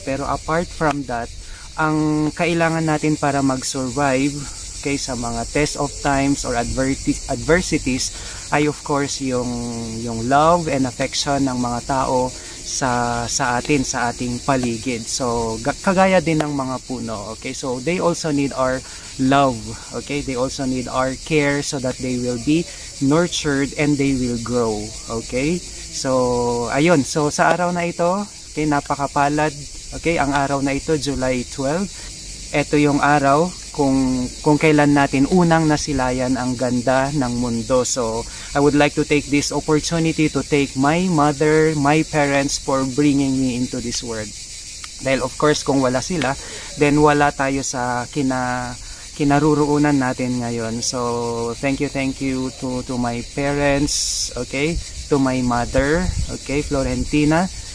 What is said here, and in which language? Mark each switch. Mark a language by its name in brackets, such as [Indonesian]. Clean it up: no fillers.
[Filipino] Pero [English] apart from that, [Filipino] ang kailangan natin para mag-survive, okay, sa mga [English] test of times or adversities [Filipino] ay of course yung [English] love and affection [Filipino] ng mga tao sa atin, sa ating paligid. So kagaya din ng mga puno, [English] okay, so they also need our love, okay, they also need our care so that they will be nurtured and they will grow, okay. [Filipino] So ayun, so sa araw na ito, okay, napakapalad, okay, ang araw na ito, July 12, ito yung araw kung kailan natin unang nasilayan ang ganda ng mundo. [English] So I would like to take this opportunity to thank my mother, my parents for bringing me into this world. [Filipino] Dahil of course kung wala sila, then wala tayo sa kinaruroonan natin ngayon. [English] So thank you to my parents, okay, to my mother, okay, Florentina.